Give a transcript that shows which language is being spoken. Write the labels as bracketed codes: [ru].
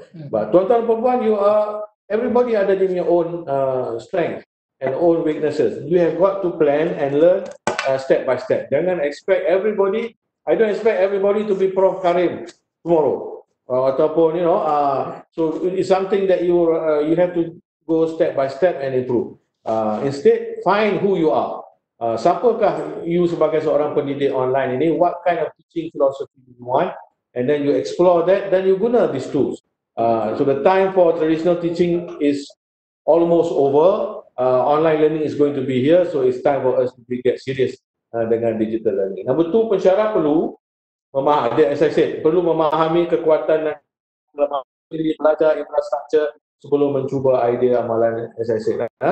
[en] But [ms] tuan-tuan perempuan, [en] you are, everybody [ms] ada dia punya [en] own strength and own weaknesses. You have got to plan and learn step by step. [ms] Jangan [en] expect everybody, I don't expect everybody to be Prof Karim tomorrow. Ataupun, you know, so it's something that you have to go step by step and improve. Instead, find who you are. [ms] Siapakah you sebagai seorang pendidik online ini? [en] What kind of teaching philosophy do you want? And then you explore that, then you [ms] guna [en] these tools. So the time for traditional teaching is almost over. Online learning is going to be here, so it's time for us to get serious [ms] dengan [en] digital learning. [ms] Number two, pensyarah perlu memahami, [en] as I said, [ms] perlu memahami kekuatan dan kelemahan diri pelajar, infrastruktur sebelum mencuba idea amalan, as I said.